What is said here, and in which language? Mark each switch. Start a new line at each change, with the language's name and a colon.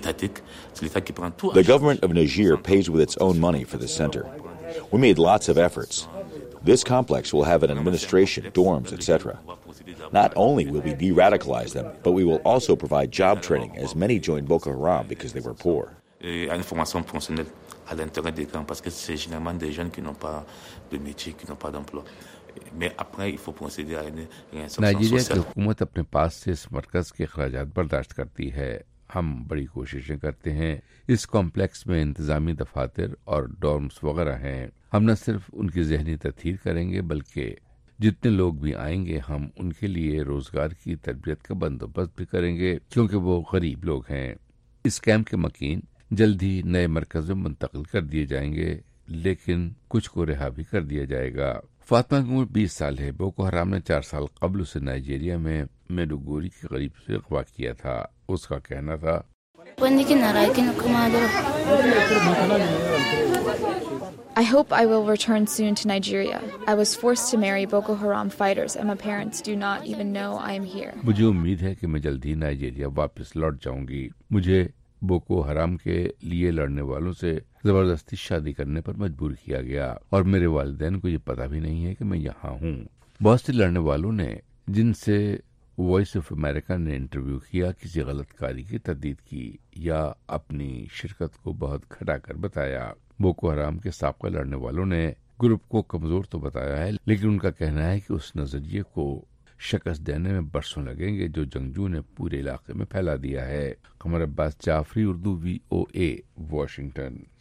English: The government of Niger pays with its own money for the center. We made lots of efforts. This complex will have an administration, dorms, etc. Not only will we de-radicalize them, but we will also provide job training as many joined Boko Haram because they were poor.
French: À l'intérieur des camps, parce que c'est généralement des jeunes qui n'ont pas de métier, qui n'ont pas d'emploi. Mais après, il faut procéder à une réinsertion sociale.
Urdu: Nigeria کی حکومت اپنے پاس سے اس مرکز کے اخراجات برداشت کرتی ہے۔ ہم بڑی کوششیں کرتے ہیں۔ اس کمپلیکس میں انتظامی دفاتر اور ڈارمز وغیرہ ہیں۔ ہم نہ صرف ان کی ذہنی تطہیر کریں گے بلکہ جتنے لوگ بھی آئیں گے ہم ان کے لیے روزگار کی تربیت کا بندوبست بھی کریں گے، کیونکہ وہ غریب لوگ ہیں۔ اس کیمپ کے مکین جلد ہی نئے مرکز میں منتقل کر دیے جائیں گے، لیکن کچھ کو رہا بھی کر دیا جائے گا۔ فاطمہ کی عمر 20 سال ہے۔ بوکو حرام نے 4 سال قبل اسے نائجیریا میں میڈوگوری کے قریب سے اغوا کیا تھا۔ اس کا کہنا تھا،
English: I hope I will return soon to Nigeria. I was forced to marry Boko Haram fighters and my parents do not even know I am here.
Urdu: مجھے امید ہے کہ میں جلد ہی نائجیریا واپس لوٹ جاؤں گی۔ مجھے بوکو حرام کے لیے لڑنے والوں سے زبردستی شادی کرنے پر مجبور کیا گیا، اور میرے والدین کو یہ پتہ بھی نہیں ہے کہ میں یہاں ہوں۔ بہت سے لڑنے والوں نے، جن سے وائس آف امریکہ نے انٹرویو کیا، کسی غلط کاری کی تردید کی یا اپنی شرکت کو بہت گھٹا کر بتایا۔ بوکو حرام کے سابقہ لڑنے والوں نے گروپ کو کمزور تو بتایا ہے، لیکن ان کا کہنا ہے کہ اس نظریے کو شکست دینے میں برسوں لگیں گے جو جنگجو نے پورے علاقے میں پھیلا دیا ہے۔ قمر عباس جعفری، اردو، VOA، واشنگٹن۔